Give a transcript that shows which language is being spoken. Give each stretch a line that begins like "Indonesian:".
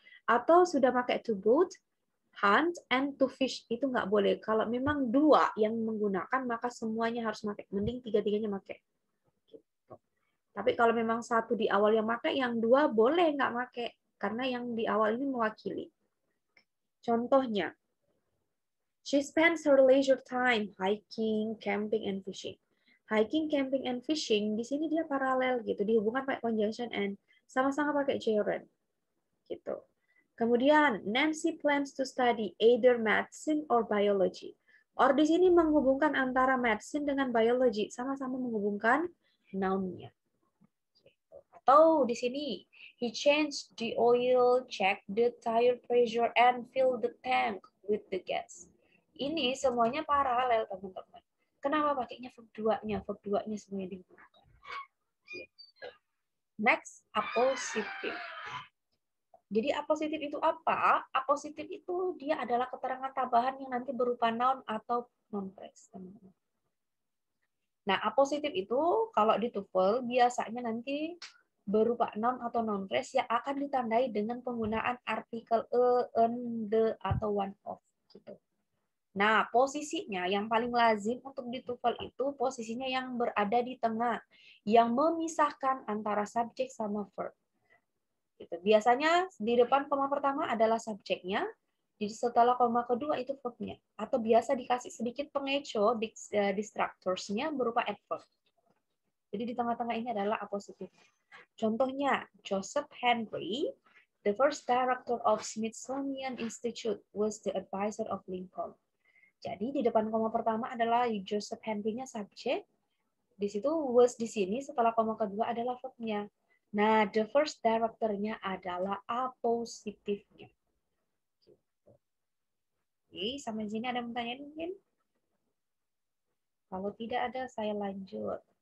Indonesian: Atau sudah pakai
English: to boat, hunt and to fish
Indonesian: itu nggak boleh. Kalau memang dua yang menggunakan, maka semuanya harus pakai. Mending tiga-tiganya pakai. Tapi kalau memang satu di awal yang pakai, yang dua boleh nggak pakai. Karena yang di awal ini mewakili. Contohnya,
English: she spends her leisure time hiking, camping, and fishing. Hiking, camping, and fishing,
Indonesian: di sini dia paralel gitu, dihubungkan pakai conjunction and, sama-sama pakai gerund. Gitu. Kemudian,
English: Nancy plans to study either medicine or biology.
Indonesian: Or di sini menghubungkan antara medicine dengan biology, sama-sama menghubungkan noun-nya. Atau di sini,
English: he changed the oil, checked the tire pressure, and filled the tank with the gas.
Indonesian: Ini semuanya paralel, teman-teman. Kenapa pakainya verb 2-nya? Verb 2-nya semuanya digunakan. Next, appositive. Jadi appositive itu apa? Appositive itu dia adalah keterangan tambahan yang nanti berupa noun atau non-phrase, teman-teman. Nah, appositive itu kalau di TOEFL biasanya nanti berupa noun atau non-phrase yang akan ditandai dengan penggunaan artikel a, an, the, atau one of. Gitu. Nah, posisinya yang paling lazim untuk di TOEFL itu posisinya yang berada di tengah, yang memisahkan antara subjek sama verb. Gitu. Biasanya di depan koma pertama adalah subjeknya, jadi setelah koma kedua itu verbnya. Atau biasa dikasih sedikit pengeco, distractors-nya berupa adverb. Jadi di tengah-tengah ini adalah appositive.
English: Contohnya, Joseph Henry, the first director of Smithsonian Institute, was the advisor of Lincoln.
Indonesian: Jadi di depan koma pertama adalah Joseph Henry-nya subjek. Di situ was di sini, setelah koma kedua adalah verb-nya. Nah,
English: the first director-
Indonesian: nya adalah appositive-nya. Oke, sampai sini ada pertanyaan mungkin? Kalau tidak ada, saya lanjut.